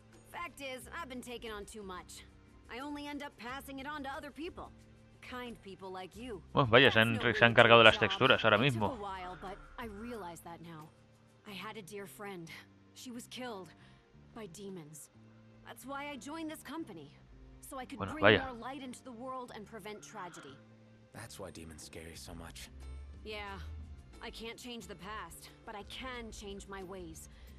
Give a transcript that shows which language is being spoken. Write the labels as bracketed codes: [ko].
[en] Fact is, I've been taking on too much. I only end up passing it on to other people. Kind people like you. [es] Bueno, vaya, se han cargado las texturas ahora mismo. [en] It took a while, but I realize that now. I had a dear friend. She was killed by demons. That's why I joined this company, so I could bueno, bring vaya. More light into the world and prevent tragedy. That's why demons scare you so much. Yeah, I can't change the past, but I can change my ways.